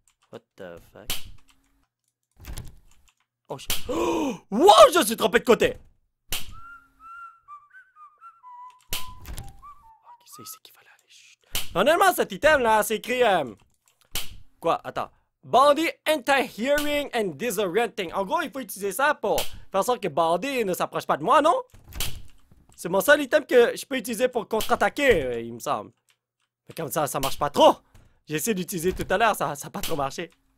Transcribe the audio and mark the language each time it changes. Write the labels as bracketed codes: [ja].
[en] What the fuck? [fr] Oh, wow, je suis trompé de côté! Qui c'est ici qui va là? Normalement, cet item là, c'est écrit. Quoi? Attends. [en] Bandit anti-hearing and disorienting. [fr] En gros, il faut utiliser ça pour faire en sorte que Bandit ne s'approche pas de moi, non? C'est mon seul item que je peux utiliser pour contre-attaquer, il me semble. Mais comme ça, ça marche pas trop. J'ai essayé d'utiliser tout à l'heure, ça n'a pas trop marché.